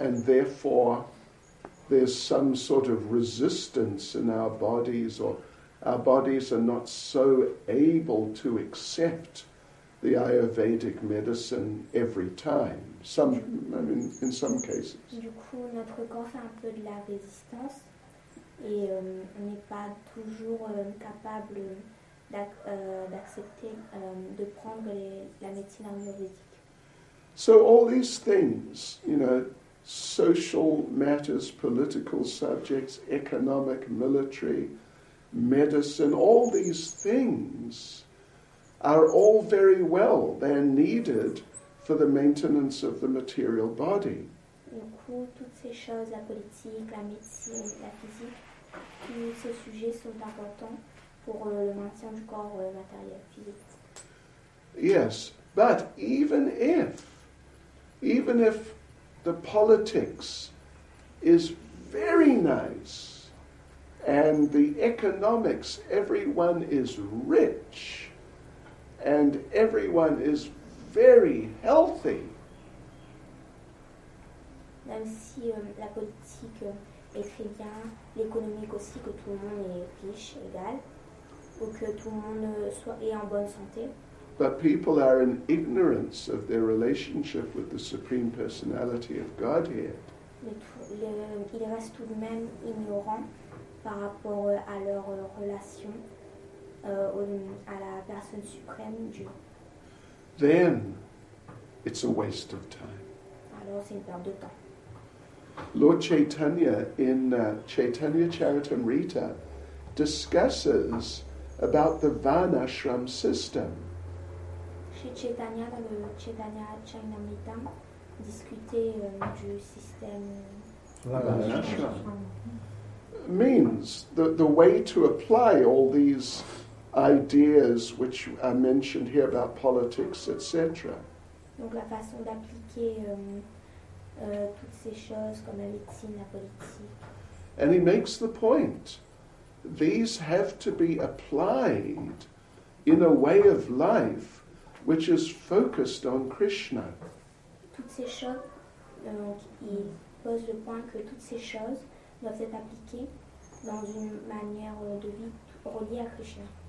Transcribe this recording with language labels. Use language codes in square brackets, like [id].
[en] And therefore, there's some sort of resistance in our bodies, or our bodies are not so able to accept the Ayurvedic medicine every time. In some cases. [fr] Du coup, notre corps fait un peu de la résistance et on n'est pas toujours capable d'accepter de prendre la médecine ayurvédique. [en] So all these things, you know, social matters, political subjects, economic, military, medicine, all these things are all very well. They're needed for the maintenance of the material body. [fr] Du coup, toutes ces choses, la politique, la médecine, la physique, tous ces sujets sont importants pour le maintien du corps matériel, physique. [en] Yes, but even if the politics is very nice and the economics, everyone is rich and everyone is very healthy. [fr] Même si la politique est très bien, l'économique aussi, que tout le monde est riche, égal, ou que tout le monde est en bonne santé. [en] But people are in ignorance of their relationship with the Supreme Personality of Godhead. [fr] Ils restent tout de même ignorants par rapport à leur relation à la personne suprême du. [en] Then it's a waste of time. [fr] Alors c'est une perte de temps. [en] Lord Chaitanya in Chaitanya Charitamrita discusses about the Varnashram system. [fr] Chaitanya dans le Chaitanya Charitamrita discutait du système Varnashram. [en] Means the way to apply all these ideas which are mentioned here about politics, etc. [fr] Donc la façon d'appliquer toutes ces choses comme la médecine, la politique. [en] And he makes the point. These have to be applied in a way of life which is focused on Krishna. [fr] Toutes ces choses, donc il pose le point que toutes ces choses doivent être appliquées dans une manière de vie reliée à Krishna.